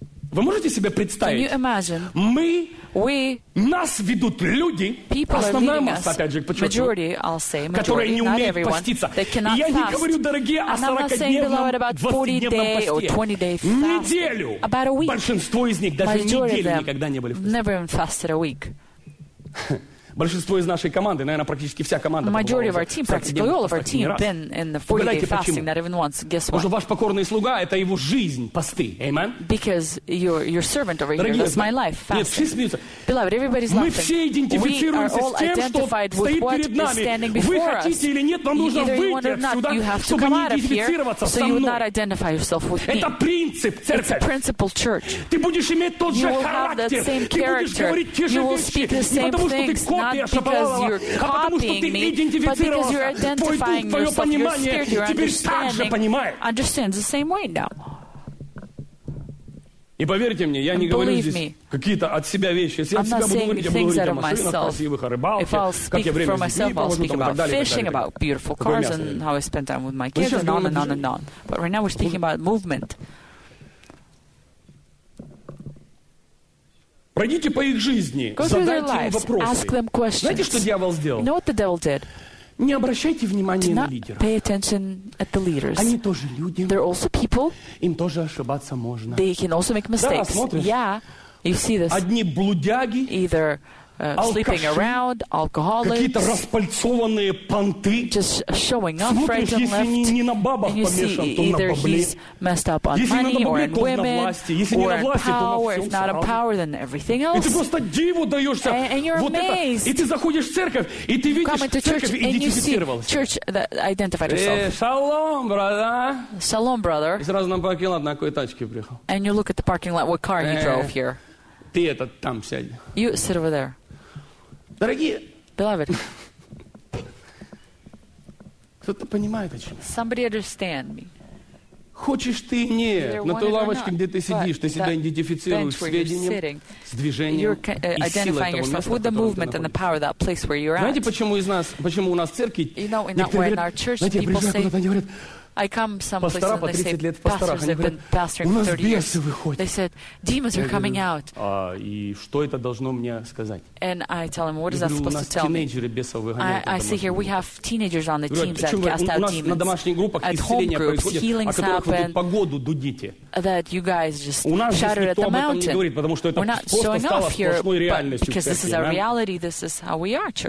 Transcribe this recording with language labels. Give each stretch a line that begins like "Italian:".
Russian: Вы можете себе представить? Мы, нас ведут люди, основная масса, опять же, подчеркиваю, которые не умеют поститься. Я не говорю, дорогие, о 40-дневном, 20-дневном посте. Неделю. Большинство из них даже неделю никогда не были в посте. Большинство из нашей команды, наверное, практически вся команда.
English: Majority of our team, practically all of our team, been in the 40-day fasting not even once. Guess what?
Russian: Уже ваш покорный слуга – это его жизнь, посты.
English: Amen. Because your servant over here is my life, fasting. Beloved, everybody's laughing.
Russian: Мы все идентифицируемся с тем, что стоит перед нами. Вы хотите или нет, вам нужно выйти отсюда, чтобы не идентифицироваться со мной.
English: So you not identify yourself with me.
Russian: Это принцип церкви.
English: It's a principle church.
Russian: Ты будешь иметь тот же характер. Ты будешь говорить те же вещи. Не потому, что ты
English: not because you're copying me, but because you're identifying yourself, your spirit, your understanding, understands the same way now.
Russian: И поверьте мне, я не говорю здесь какие-то от себя вещи. Если я от себя буду говорить, я буду говорить о машинах красивых, о рыбалке, как я время с детьми провожу, там, и так далее.
English: Fishing, about beautiful cars and how I spend time with my kids, and on and on and on. But right now we're speaking about movement.
Russian: Пройдите по их жизни, задайте им вопросы. Знаете, что дьявол сделал? Не обращайте внимания на лидеров.
English: Pay attention at the leaders.
Russian: Они тоже люди.
English: They're also people.
Russian: Им тоже ошибаться можно.
English: They can also make mistakes.
Russian: Да, смотришь.
English: Yeah, you see this.
Russian: Одни блудяги.
English: Either sleeping around, alcoholics.
Russian: Какие-то распальцованные понты.
English: Just showing up right and left.
Russian: Смотришь, если не на бабах помешан, то на бабле.
English: He's messed up on
Russian: если
English: money
Russian: бабле,
English: or in women.
Russian: Если
English: or
Russian: не на власти,
English: power,
Russian: то на всем
English: not
Russian: сразу.
English: A power, then everything else.
Russian: И ты просто диву даешься.
English: And you're
Russian: вот
English: amazed.
Russian: Это. И ты заходишь в церковь, и ты видишь,
English: come into church,
Russian: церковь идентифицировалась.
English: Church that identified herself.
Russian: Шалом, брата.
English: Шалом, brother.
Russian: И сразу на паркинг лот на какой тачке приехал.
English: And you look at the parking lot, what car you drove here.
Russian: Ты этот там сядь.
English: You sit over there.
Russian: Дорогие,
English: beloved,
Russian: кто-то понимает о чем?
English: Somebody understand me.
Russian: Хочешь ты нет, на той лавочке, где ты сидишь, ты себя идентифицируешь с ведением, с движением и силой этого места, в котором ты находишься. Знаете, почему из нас, почему у нас церкви некоторые говорят, знаете, я приезжаю куда-то, они говорят,
English: I come someplace and they say, pastors, they've been pastoring for 30 years.
Russian: Выходят.
English: They said, demons are coming out.
Russian: И что это должно мне сказать?
English: And I tell them, what is that supposed to tell me? I see here, we have teenagers on the teams that cast out demons. На домашних группах at home groups, healings happen. That you guys just shouted at the mountain. We're not showing off here, but because this is our reality, this is how we are, church.